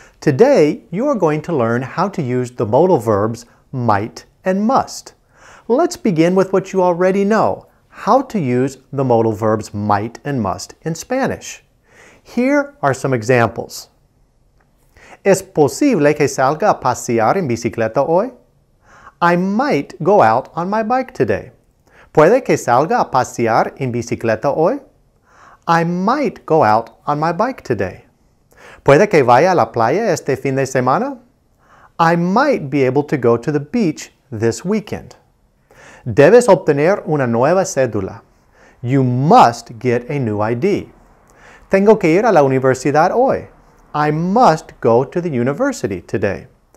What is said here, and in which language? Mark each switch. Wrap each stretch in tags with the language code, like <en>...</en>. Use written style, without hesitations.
<en>Today, you are going to learn how to use the modal verbs might and must. Let's begin with what you already know, how to use the modal verbs might and must in Spanish. Here are some examples.</en> <es>¿Es posible que salga a pasear en bicicleta hoy?</es> <en>I might go out on my bike today.</en> <es>¿Puede que salga a pasear en bicicleta hoy?</es> <en>I might go out on my bike today.</en> <es>¿Puede que vaya a la playa este fin de semana?</es> <en>I might be able to go to the beach this weekend.</en> <es>Debes obtener una nueva cédula.</es> <en>You must get a new ID.</en> <es>Tengo que ir a la universidad hoy.</es> <en>I must go to the university today.</en>